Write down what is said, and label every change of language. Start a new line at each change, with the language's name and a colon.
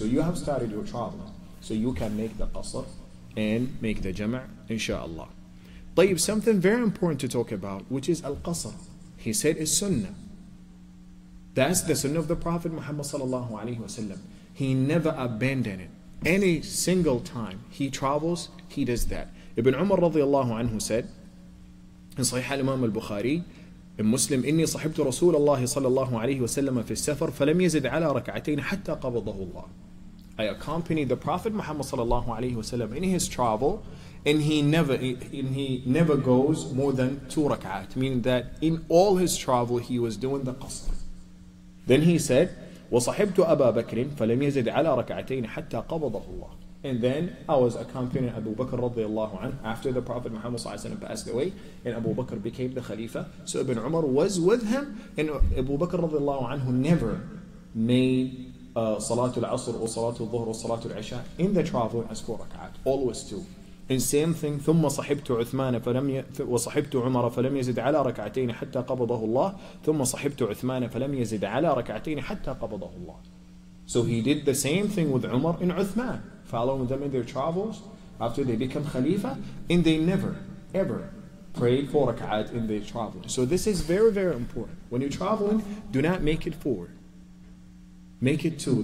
English: So you have started your travel. So you can make the qasr and make the jama', inshaAllah. Tayyib, something very important to talk about, which is al-qasr. He said it's sunnah. That's the sunnah of the Prophet Muhammad sallallahu alayhi wa sallam. He never abandoned it. Any single time he travels, he does that.
Arabic: Ibn Umar radiallahu anhu said, in Sahih al-Imam al-Bukhari, in Muslim, إِنِّي صَحِبْتُ رَسُولَ اللَّهِ صَلَّى اللَّهُ عَلَيْهِ وَسَلَّمَ فِي السَّفَرِ فَلَمْ يَزِدْ عَلَى رَكَعَتَيْنِ حَتَّى قَبَضَهُ اللَّهُ.
English: I accompanied the Prophet Muhammad sallallahu alaihi wasallam in his travel, and he never goes more than 2 rak'at, meaning that in all his travel he was doing the qasr.
Arabic: Then he said, وَصَحِبْتُ أَبَا بَكْرٍ فَلَمْ يَزِدْ عَلَى رَكَعَتَيْنِ حَتَّى قَبَضَهُ اللَّهُ.
English: And then I was accompanying Abu Bakr radiallahu anhu after the Prophet Muhammad sallallahu alaihi wasallam passed away, and Abu Bakr became the Khalifa. So Ibn Umar was with him, and Abu Bakr radiallahu anhu never made Salatul Asr or Salatul Dhuhr or Salatul Isha in the travel as 4 rak'at, always 2. And same thing,
Arabic: ثم صحبت عثمان فلم وصحبت عمر فلم يزد على ركعتين حتى قبضه الله ثم صحبت عثمان فلم يزد على ركعتين حتى قبضه الله.
English: So he did the same thing with Umar and Uthman, following them in their travels after they become Khalifa, and they never ever prayed 4 rak'at in the traveling. So this is very, very important. When you're traveling, do not make it 4. Make it 2.